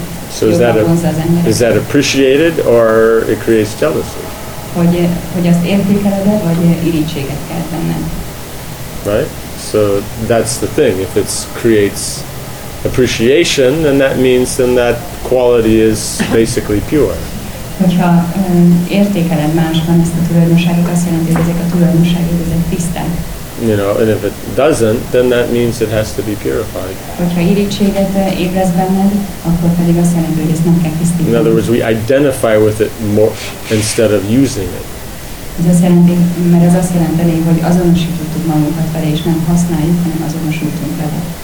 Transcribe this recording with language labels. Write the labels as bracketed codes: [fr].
[en] So is that appreciated or it creates jealousy? Right? So that's the thing. If it creates appreciation, then that means then that quality is basically pure. [hu] Hogyha értékeled másban ezt a tulajdonságot, azt jelenti, hogy ezek a tulajdonságok ezek tiszták. [en] You know, and if it doesn't, then that means it has to be purified. [hu] Hogyha irigységet ébreszt benned, akkor pedig azt jelenti, hogy ezt nem kell tisztítani. [en] In other words, we identify with it more instead of using it. [hu] Ez azt jelenti, mert ez azt jelenti, hogy azonosítottuk magunkat vele, és nem használjuk, hanem azonosítunk vele.